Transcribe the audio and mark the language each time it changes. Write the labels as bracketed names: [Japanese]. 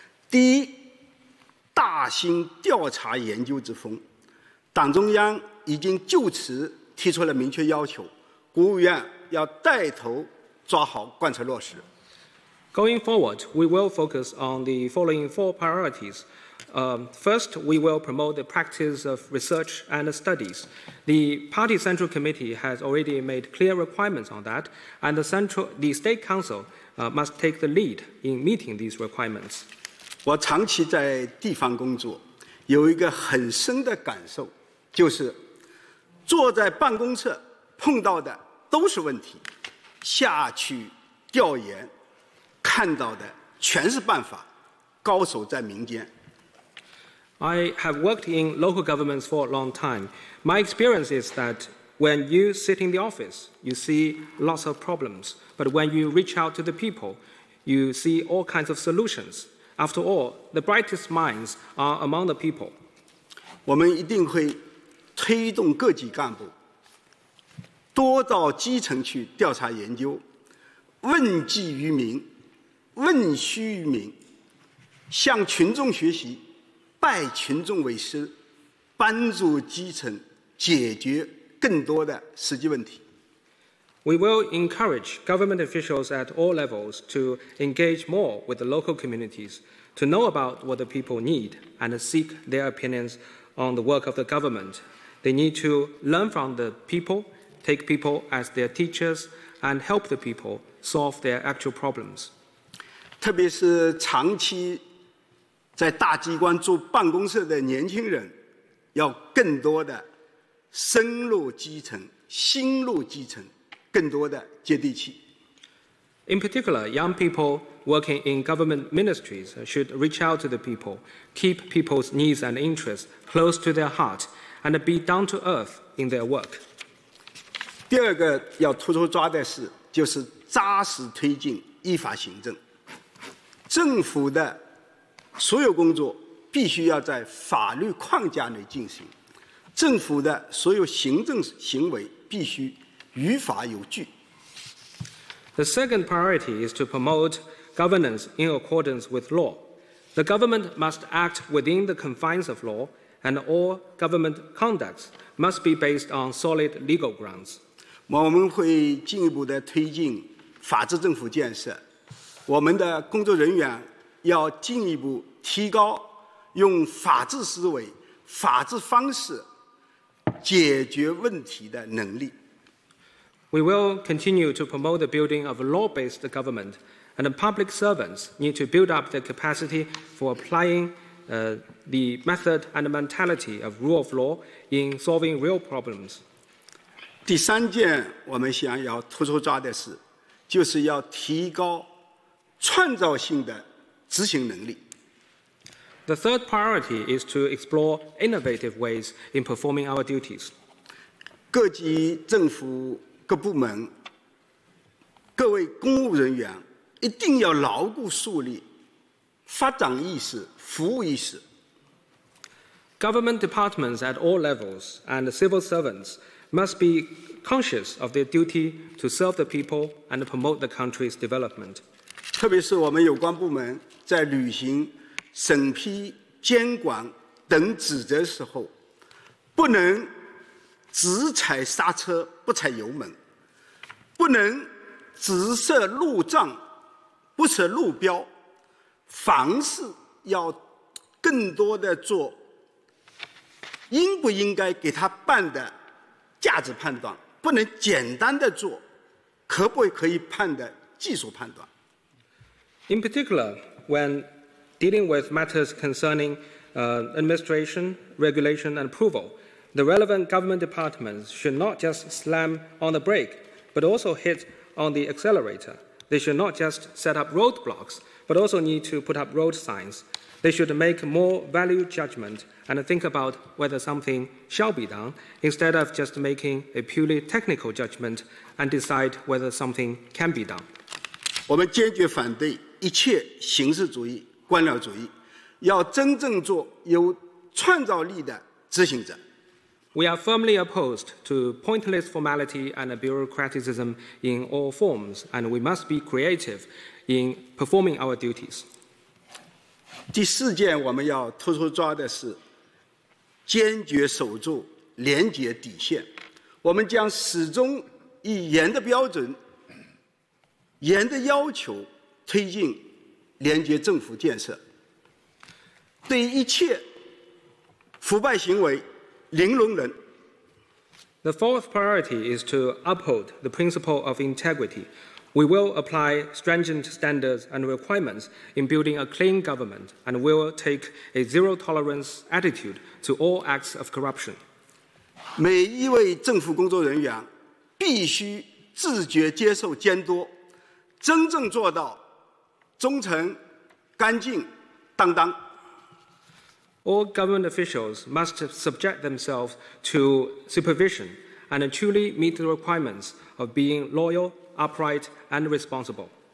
[Chinese] 第一，大兴调查研究之风，党中央已经就此提出了明确要求，国务院要带头抓好贯彻落实。 [English] Going forward, we will focus on the following four priorities. First, we will promote the practice of research and studies. The Party Central Committee has already made clear requirements on that, and the State Council must take the lead in meeting these requirements. [Chinese] 我长期在地方工作，有一个很深的感受，就是坐在办公室碰到的都是问题，下去调研看到的全是办法，高手在民间。 [English] I have worked in local governments for a long time. My experience is that when you sit in the office, you see lots of problems. But when you reach out to the people, you see all kinds of solutions. After all, the brightest minds are among the people. [Chinese] 我们一定会推动各级干部多到基层去调查研究，问计于民。问虚于民，向群众学习，拜群众为师，帮助基层解决更多的实际问题。 [English] We will encourage government officials at all levels to engage more with the local communities, to know about what the people need and seek their opinions on the work of the government. They need to learn from the people, take people as their teachers, and help the people solve their actual problems. [Chinese] 特别是长期在大机关住办公室的年轻人，要更多的深入基层、心入基层，更多的接地气。 [English] In particular, young people working in government ministries should reach out to the people, keep people's needs and interests close to their heart, and be down to earth in their work. [Chinese] 第二个要突出抓的是，就是扎实推进依法行政。政府的所有工作必须要在法律框架内进行，政府的所有行政行为必须于法有据。 [English] The second priority is to promote governance in accordance with law. The government must act within the confines of law, and all government conducts must be based on solid legal grounds. [Chinese] 我们会进一步的推进法治政府建设。我们的工作人员要进一步提高用法治思维、法治方式解决问题的能力。 [English] We will continue to promote the building of a law-based government, and public servants need to build up the capacity for applying the method and mentality of rule of law in solving real problems. [Chinese] 第三件我们想要突出抓的事，就是要提高创造性的执行能力。 [English] The third priority is to explore innovative ways in performing our duties. [Chinese] 各级政府、各部门、各位公务人员一定要牢固树立发展意识、服务意识。 [English] Government departments at all levels and civil servants must be conscious of their duty to serve the people and promote the country's development. [Chinese] 特别是我们有关部门在履行审批、监管等职责时候，不能只踩刹车不踩油门，不能只设路障不设路标，凡事要更多的做应不应该给他办的价值判断，不能简单的做可不可以判的技术判断。 [English] In particular, when dealing with matters concerning administration, regulation, and approval, the relevant government departments should not just slam on the brake, but also hit on the accelerator. They should not just set up roadblocks, but also need to put up road signs. They should make more value judgment and think about whether something shall be done, instead of just making a purely technical judgment and decide whether something can be done. [Chinese] 我们坚决反对一切形式主义、官僚主义，要真正做有创造力的执行者。 [English] We are firmly opposed to pointless formality and bureaucraticism in all forms, and we must be creative in performing our duties. [Chinese] 第四件我们要突出抓的是坚决守住廉洁底线。我们将始终以严的标准、严的要求推进廉洁政府建设。对一切腐败行为零容忍。 [English] The fourth priority is to uphold the principle of integrity. We will apply stringent standards and requirements in building a clean government and will take a zero tolerance attitude to all acts of corruption. [Chinese] 每一位政府工作人员必须自觉接受监督，真正做到忠诚、干净、担当。 All government officials must subject themselves to supervision and truly meet the requirements of being loyal, upright, and responsible.